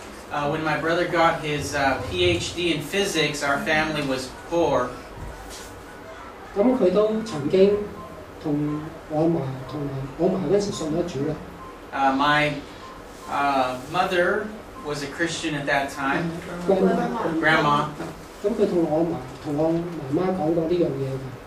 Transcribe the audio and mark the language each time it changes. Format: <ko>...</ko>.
<en>When my brother got his PhD in physics, our family was poor.</en> <yue>咁佢都曾經同我嫲同埋我嫲嗰陣時信咗主啦。</yue> <en>My mother was a Christian at that time. Grandma.</en> <yue>咁佢同我嫲同我媽媽講過呢樣嘢嘅。</yue>